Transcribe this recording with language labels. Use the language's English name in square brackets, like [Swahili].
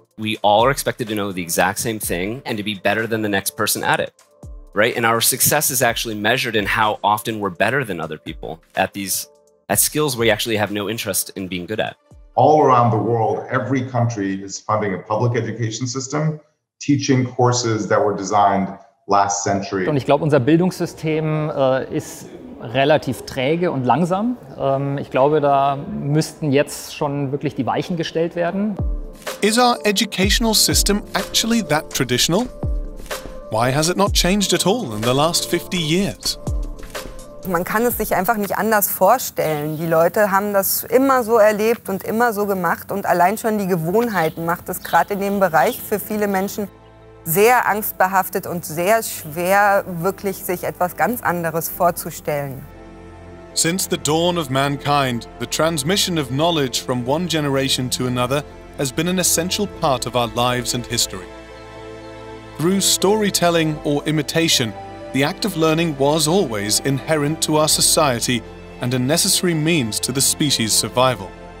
[English] We all are expected to know the exact same thing and to be better than the next person at it. Right? And our success is actually measured in how often we're better than other people at these at skills we actually have no interest in being good at. All around the world, every country is funding a public education system, teaching courses that were designed last century. [German] Und ich glaube, unser Bildungssystem ist relativ träge und langsam. Ich glaube, da müssten jetzt schon wirklich die Weichen gestellt werden. [English] Is our educational system actually that traditional? Why has it not changed at all in the last 50 years? [German] Man kann es sich einfach nicht anders vorstellen. Die Leute haben das immer so erlebt und immer so gemacht. Und allein schon die Gewohnheiten macht es gerade in dem Bereich für viele Menschen sehr angstbehaftet und sehr schwer, wirklich sich etwas ganz anderes vorzustellen. [English] Since the dawn of mankind, the transmission of knowledge from one generation to another has been an essential part of our lives and history. Through storytelling or imitation, the act of learning was always inherent to our society and a necessary means to the species' survival.